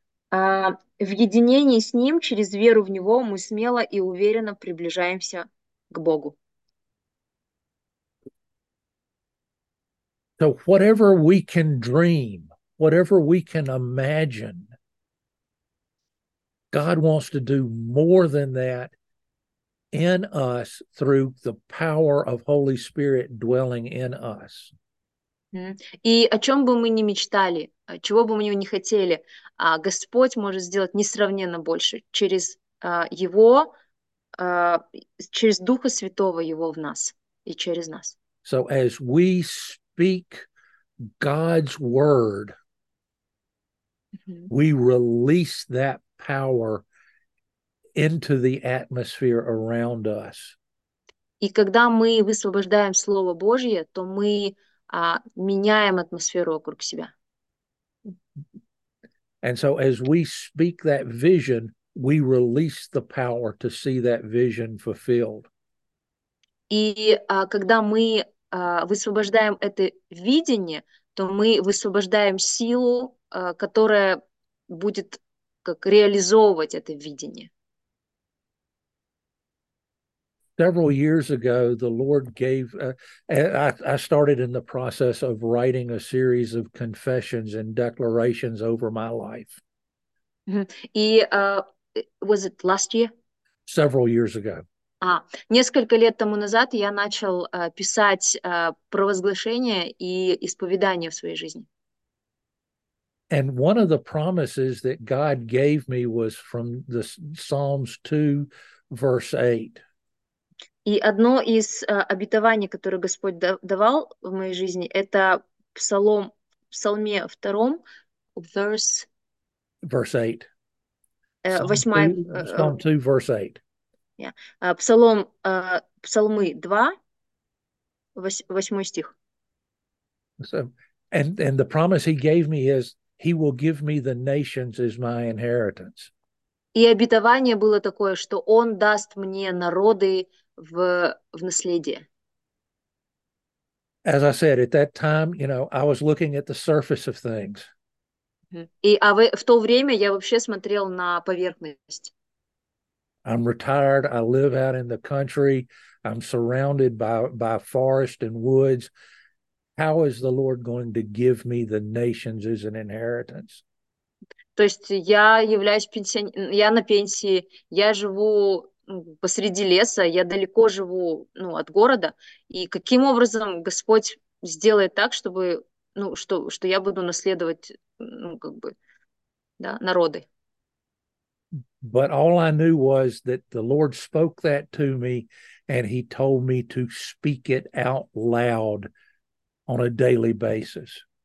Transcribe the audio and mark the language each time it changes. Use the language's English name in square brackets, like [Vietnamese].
[Russian] В единении с Ним через веру в Него мы смело и уверенно приближаемся к Богу. [English] So whatever we can dream, whatever we can imagine, God wants to do more than that in us through the power of Holy Spirit dwelling in us. [Russian] И о чем бы мы ни мечтали, чего бы мы ни хотели, Господь может сделать несравненно больше через Его, через Духа Святого Его в нас и через нас. [English] So as we speak God's word, we release that power into the atmosphere around us. [Russian] И когда мы высвобождаем Слово Божье, то мы меняем атмосферу вокруг себя. [English] And so as we speak that vision, we release the power to see that vision fulfilled. [Russian] И когда мы высвобождаем это видение, то мы высвобождаем силу, которая будет как реализовывать это видение. [English] Several years ago, the Lord gave, I started in the process of writing a series of confessions and declarations over my life. И, was it last year? Several years ago. [Russian] Несколько лет тому назад я начал писать провозглашения и исповедания в своей жизни. [English] And one of the promises that God gave me was from the Psalms 2, verse 8. [Russian] И одно из обетований, которое Господь давал в моей жизни, это псалом, псалме втором, псалмы 2, восьмой стих. [English] So, and the promise he gave me is, he will give me the nations as my inheritance. [Russian] И обетование было такое, что он даст мне народы в наследие. [English] As I said, at that time, you know, I was looking at the surface of things. [Russian] И в то время я вообще смотрел на поверхность. [English] I'm retired. I live out in the country. I'm surrounded by forest and woods. How is the Lord going to give me the nations as an inheritance? [Russian] То есть я являюсь пенсионером, я на пенсии, я живу посреди леса, я далеко живу, ну, от города, и каким образом Господь сделает так, чтобы, ну, что я буду наследовать, ну, как бы, да, народы. [English] But all I knew was that the Lord spoke that to me, and he told me to speak it out loud on a daily basis.